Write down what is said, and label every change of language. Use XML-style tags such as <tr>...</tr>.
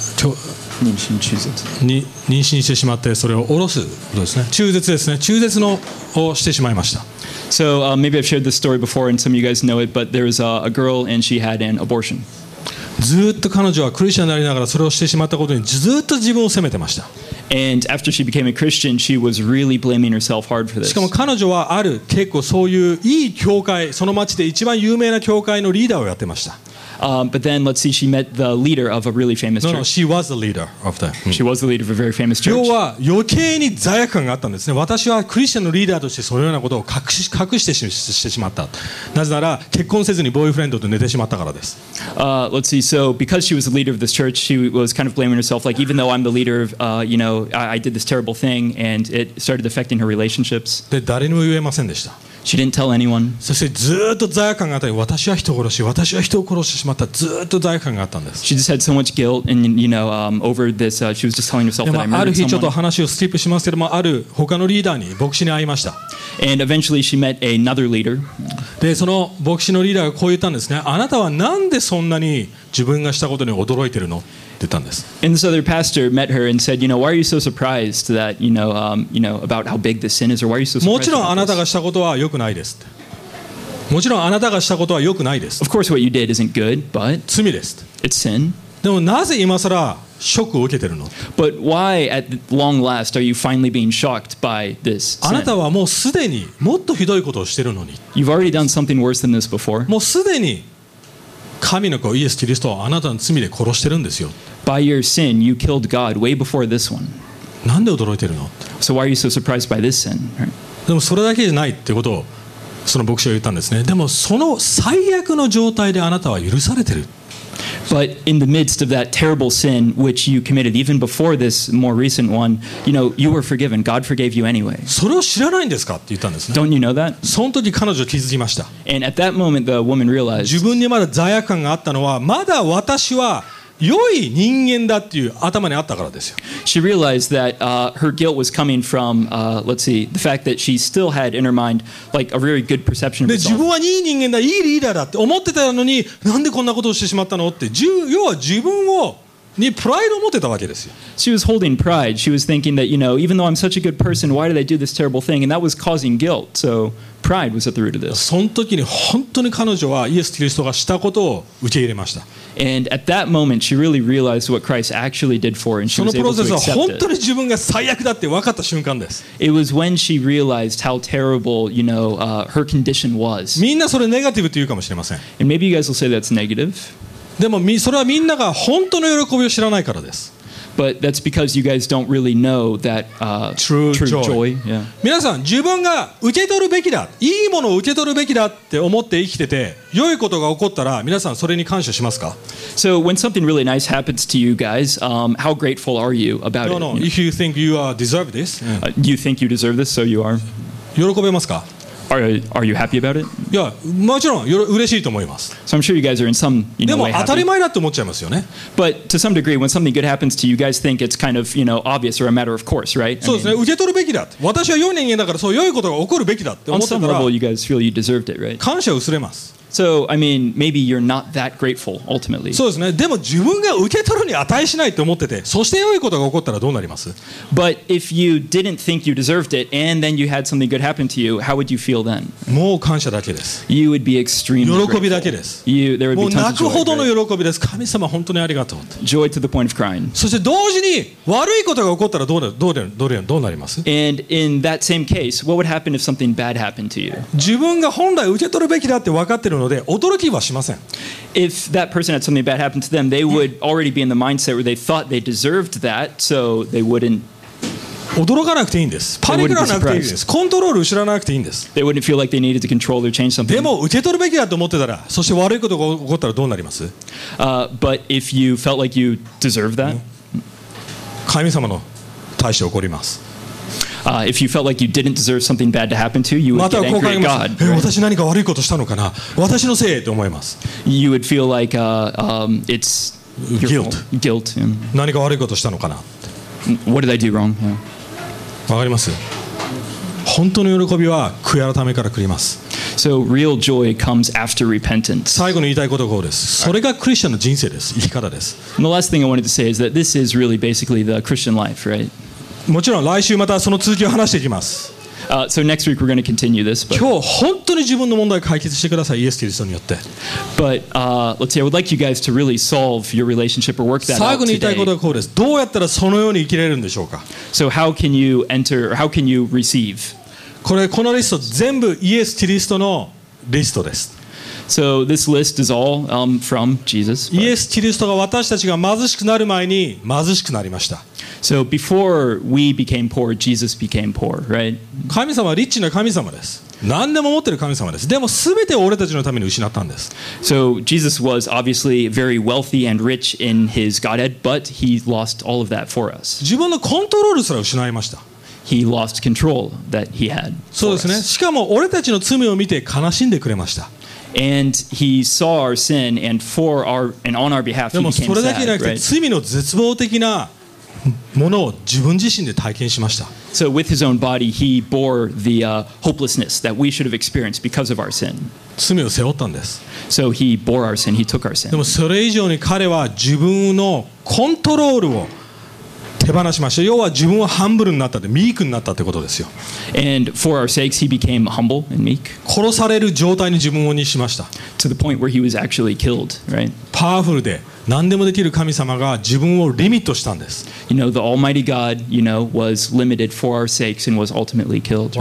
<ja>妊娠してしまって、それを下ろすことですね。中絶ですね。中絶のをしてしまいました。</ja> <en>So, maybe I've shared this story before and some of you guys know it, but there was a girl and she had an abortion.</en> <ja>ずっと彼女はクリスチャンでありながらそれをしてしまったことにずっと自分を責めてました。</ja> <en>And after she became a Christian, she was really blaming herself hard for this.</en> <ja>しかも彼女はある結構そういういい教会、その町で一番有名な教会のリーダーをやってました。</ja> <en>But then, let's see, she met the leader of a really famous church. No, she was the leader of that. She was the leader of a very famous church.</en> <ja>要は余計に罪悪感があったんですね。私はクリスチャンのリーダーとしてそのようなことを隠してしまった。なぜなら結婚せずにボーイフレンドと寝てしまったからです。</ja> <en>Let's see, so because she was the leader of this church, she was kind of blaming herself, like even though I'm the leader, you know, I did this terrible thing, and it started affecting her relationships.</en> <ja>で、誰にも言えませんでした。</ja> <en>She didn't tell anyone.</en> <ja>そしてずっと罪悪感があった。私は人を殺し、私は人を殺してしまった。ずっと罪悪感があったんです。</ja> <en>She just had so much guilt, and you know, over this, she was just telling herself that I murdered someone.</en> <ja>ある日ちょっと話をスキップしますけども、ある他のリーダーに牧師に会いました。</ja> <en>And eventually she met another leader.</en> <ja>で、その牧師のリーダーがこう言ったんですね。あなたはなんでそんなに自分がしたことに驚いてるの？って言ったんです。</ja> <en>And this other pastor met her and said, you know, why are you so surprised that, you know, about how big the sin is, or why are you so surprised?</en> <ja>もちろんあなたがしたことは良くないです。もちろんあなたがしたことは良くないです。</ja> <en>Of course, what you did isn't good, but</en> <ja>罪です。</ja> <en>It's sin.</en> <ja>でもなぜ今さらショックを受けてるの？</ja> <en>But why, at long last, are you finally being shocked by this sin?</en> <ja>あなたはもうすでにもっとひどいことをしてるのに。</ja> <en>You've already done something worse than this before.</en> <ja>もうすでに神の子イエス・キリストをあなたの罪で殺してるんですよ。</ja> <en>By your sin, you killed God way before this one.</en> <ja>なんで驚いてるの？</ja> <en>So why are you so surprised by this sin?</en> <ja>でもそれだけじゃないってことをその牧師は言ったんですね。でもその最悪の状態であなたは許されてる。</ja> <en>But in the midst of that terrible sin which you committed even before this more recent one, you know, you were forgiven. God forgave you anyway.</en> <ja>それを知らないんですかって言ったんですね。</ja> <en>Don't you know that?</en> <ja>その時彼女は気づきました。</ja> <en>And at that moment the woman realized</en> <ja>自分にまだ罪悪感があったのはまだ私は良い人間だっていう頭にあったからですよ。</ja> <en>She realized that her guilt was coming from, let's see, the fact that she still had in her mind like a very good perception of herself.</en> <ja>で、自分は良い人間だ、良いリーダーだって思ってたのに、なんでこんなことをしてしまったのって、要は自分をにプライドを持ってたわけですよ。</ja> <en>She was holding pride. She was thinking that, you know, even though I'm such a good person, why did I do this terrible thing? And that was causing guilt. So pride was at the root of this.</en> <ja>その時に本当に彼女はイエス・キリストがしたことを受け入れました。</ja> <en>And at that moment, she really realized what Christ actually did for her, and she was able to accept it.</en> <ja>そのプロセスは本当に自分が最悪だって分かった瞬間です。</ja> <en>It was when she realized how terrible, you know, her condition was.</en> <ja>みんなそれネガティブって言うかもしれません。</ja> <en>And maybe you guys will say that's negative.</en> <ja>でもそれはみんなが本当の喜びを知らないからです。</ja> <en>But that's because you guys don't really know that true joy. Joy. Yeah.</en> <ja>皆さん、自分が受け取るべきだ、いいものを受け取るべきだって思って生きてて、良いことが起こったら、皆さんそれに感謝しますか？</ja> <en>So when something really nice happens to you guys, how grateful are you about it? No. If you think you deserve this, you think you deserve this, so you are.</en> <ja>喜べますか？</ja> <en>Are you happy about it?</en> <ja>Yeah, もちろん嬉しいと思います。</ja> <en>So I'm sure you guys are in some, you know,</en> <ja>でも当たり前だと思っちゃいますよね。</ja> <en>But to some degree, when something good happens to you guys, think it's kind of, you know, obvious or a matter of course, right?</en> <ja>そうですね。受け取るべきだ。私は良い人間だから、そう良いことが起こるべきだって思ったから。</ja> <en>On some level, you guys feel you deserved it, right?</en> <ja>感謝薄れます。</ja> <en>So, I mean, maybe you're not that grateful, ultimately.</en> <ja>そうですね。でも自分が受け取るに値しないと思ってて、そして良いことが起こったらどうなります?</ja> <en>But if you didn't think you deserved it, and then you had something good happen to you, how would you feel then?</en> <ja>もう感謝だけです。</ja> <en>You would be extremely grateful.</en> <ja>喜びだけです。</ja> <en>You, there would be tons</en> <ja>もう泣くほどの喜びです。神様、本当にありがとう。</ja> <en>Joy to the point of crying.</en> <ja>そして同時に悪いことが起こったらどうなります?</ja> <en>And in that same case, what would happen if something bad happened to you?</en> <ja>自分が本来受け取るべきだって分かってるので驚きはしません。</ja> <en>If that person had something bad happen to them, they would already be in the mindset where they thought they deserved that, so they wouldn't.</en> <ja>驚かなくていいんです。パニクらなくていいんです。コントロール失わなくていいんです。</ja> <en>They wouldn't feel like they needed to control or change something.</en> <ja>でも受け取るべきだと思ってたら、そして悪いことが起こったらどうなります</ja> <en>But if you felt like you deserved that,</en> <ja>神様の対して怒ります。</ja> <en>If you felt like you didn't deserve something bad to happen to you, you would get angry at God.</en> <ja>私何か悪いことしたのかな? 私のせいと思います。</ja> <en>You would feel like it's your guilt. Guilt.</en> <ja>何か悪いことしたのかな?</ja> <en>What did I do wrong?</en> <ja>わかります。本当の喜びは悔い改めから来ります。</ja> <en>So real joy comes after repentance.</en> <ja>最後に言いたいことはこうです。それがクリスチャンの人生です。生き方です。</ja> <en>The last thing I wanted to say is that this is really basically the Christian life, right?</en> <ja>もちろん来週またその続きを話していきます。</ja> <en>So next week we're going to continue this. But</en> <ja>今日本当に自分の問題を解決してください。イエス・キリストによって。</ja> <en>But let's see. I would like you guys to really solve your relationship or work that out today.</en> <ja>最後に言いたいことはこうです。どうやったらそのように生きれるんでしょうか。</ja> <en>So how can you enter? Or how can you receive?</en> <ja>これこのリスト全部イエス・キリストのリストです。</ja> <en>So this list is all from Jesus.</en> <ja>イエス・キリストが私たちが貧しくなる前に貧しくなりました。</ja> <en>So before we became poor, Jesus became poor, right?</en> <ja>神様はリッチな神様です。何でも持ってる神様です。でも全てを俺たちのために失ったんです。</ja> <en>So Jesus was obviously very wealthy and rich in his Godhead, but he lost all of that for us.</en> <ja>自分のコントロールすら失いました。</ja> <en>He lost control that he had.</en> <ja>そうですね。しかも俺たちの罪を見て悲しんでくれました。</ja> <en>And he saw our sin and for our and on our behalf he became sad.</en> <ja>でもそれだけじゃなくて、</ja> <en>right?</en> <ja>罪の絶望的なものを自分自身で体験しました。</ja> <en>So with his own body, he bore the hopelessness that we should have experienced because of our sin.</en> <ja>罪を背負ったんです。</ja> <en>So he bore our sin, he took our sin.</en> <ja>でもそれ以上に彼は自分のコントロールを手放しました。要は自分はハンブルになったって、ミークになったってことですよ。</ja> <en>And for our sakes, he became humble and meek.</en> <ja>殺される状態に自分をにしました。</ja> <en>To the point where he was actually killed, right?</en> <ja>パワフルで何でもできる神様が自分をリミットしたんです。</ja> <en>You know, the Almighty God, you know, was limited for our sakes and was ultimately killed, right?</en>